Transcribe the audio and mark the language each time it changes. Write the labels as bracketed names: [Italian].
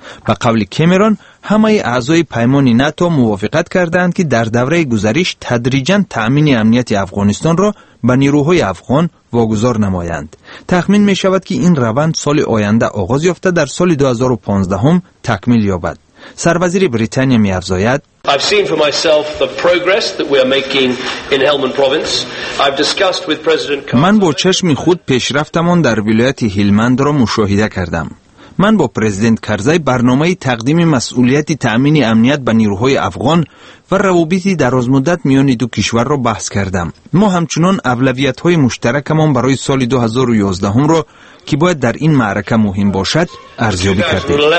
[Persian] با قول کامرون، همه اعضای پیمان ناتو موافقت کردند که در دوره گذریش تدریجاً تأمین امنیت افغانستان را به نیروهای افغان واگذار نمایند. تخمین می شود که این روند سال آینده آغاز یافته در سال 2015 تکمیل یابد. سروزیر بریتانیا می افزاید: [English] I've seen for myself the progress that we are making in Helmand province. I've discussed with President Karzai. [Persian] من با چشم خود پیشرفتمان در ولایت هلمند را مشاهده کردم. من با پرزیدنت کرزی برنامه تقدیم مسئولیت تأمین امنیت به نیروهای افغان و روابط دراز مدت میان دو کشور را بحث کردم. ما همچنان اولویت های مشترکمان برای سال 2011 را که باید در این معرکه مهم باشد ارزیابی کردیم.